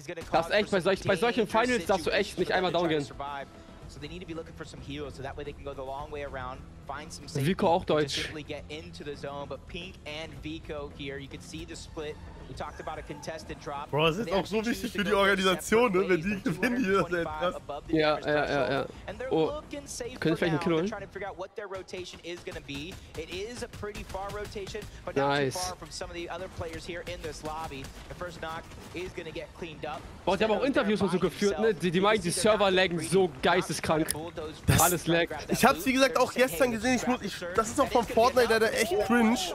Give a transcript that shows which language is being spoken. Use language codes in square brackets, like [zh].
[de] Das ist echt, bei solchen Finals darfst du echt nicht einmal down gehen. [en] So they need to be looking for some heals, so that way they can go the long way around, find some safety. [de] Vico auch Deutsch. [en] Just simply get into the zone, but Pink and Vico here, you can see the split. We talked about a contested drop. [de] Bro, das ist auch so wichtig für die Organisation, ne? Wenn die gewinnen hier, das ist krass. Ja, ja. Oh, können wir vielleicht einen Kill holen? [en] Trying to figure out what their rotation is gonna be. It is a pretty far rotation, but not too far from some of the other players here in this lobby. The first knock is gonna get cleaned up. [de] Boah, die haben auch Interviews so geführt, ne? Die meinen, die Server laggen so geisteskrank. Alles laggt. Ich hab's wie gesagt auch gestern gesehen. Das ist auch vom Fortnite leider echt cringe.